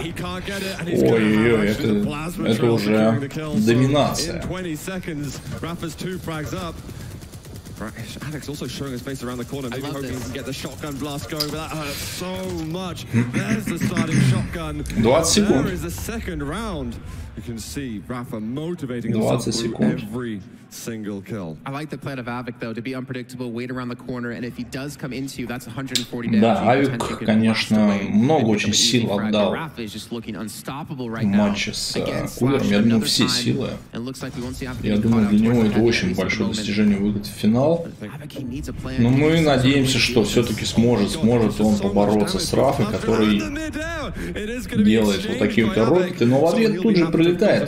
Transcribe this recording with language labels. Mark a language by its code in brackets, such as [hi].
[ru] Ой-ой-ой, это уже доминация. [en] Rapha's two frags up. Av3k also showing his face around the corner. Maybe hoping he can get the shotgun blast going, but that hurts so much. There's the starting shotgun. There is the second round. You can see Rapha motivating himself through every single kill. I like the plan of Av3k though, to be unpredictable, wait around the corner, and if he does come into you, that's 140 damage. [ru] Да, Av3k, конечно, много очень сил отдал. [en] Rapha is just looking unstoppable right now. [ru] Матч с Кулером, я думаю, все силы. Я думаю, для него это очень большое достижение выйти в финал. Но мы надеемся, что все-таки сможет он побороться с Рафой, который делает вот такие вот роботы, но в ответ тут же прилетает.